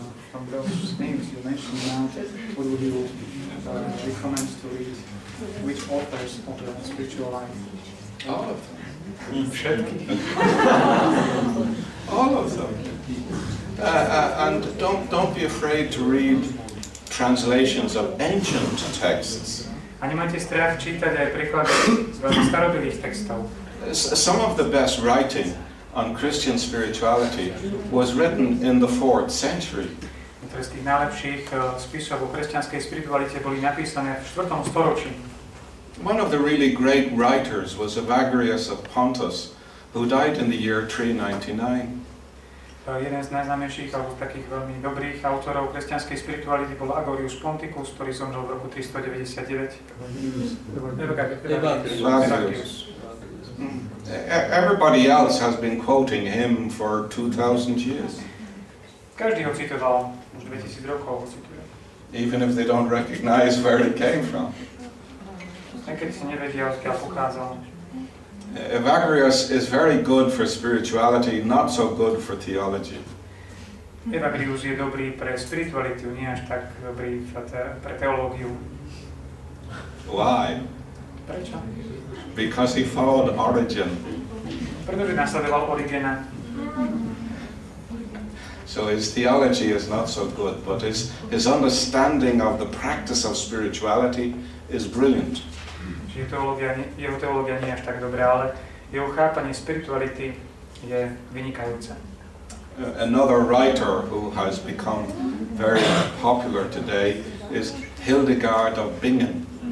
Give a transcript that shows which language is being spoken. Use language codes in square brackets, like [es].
[en] From those names you mentioned now, would you recommend to read which authors of the spiritual life? All of them. [sk] Všetky. [en] All of them. And don't be afraid to read translations of ancient texts. [sk] A nemajte strach čítať aj príklady z veľmi starobylých textov. [en] Some of the best writing on Christian spirituality was written in the 4th century. [sk] Z tých najlepších spisov o kresťanskej spiritualite boli napísané v 4. storočí. [en] One of the really great writers was Evagrius of Pontus, who died in the year 399. [sk] Jeden z najznámejších alebo takých veľmi dobrých autorov kresťanskej spirituality bol Agorius Ponticus, ktorý zomrel v roku 399. [en] Everybody else has been quoting him for 2,000 years. [sk] Každý ho citoval, už 2000 rokov ho cituje. [en] Even if they don't recognize where it came from. [sk] Aj keď si nevedia, odkiaľ pochádzal. [en] Evagrius is very good for spirituality, not so good for theology. [sk] Evagrius je dobrý pre spiritualitu, nie až tak dobrý pre teológiu. [en] Why? [sk] Prečo? [en] Because he followed Origen. [sk] Pretože nasledoval Origena. [en] So his theology is not so good, but his understanding of the practice of spirituality is brilliant. [sk] jeho teológia nie je až tak dobrá, ale jeho chápanie spirituality je vynikajúce. [en] Another writer who has become very popular today is Hildegard of Bingen.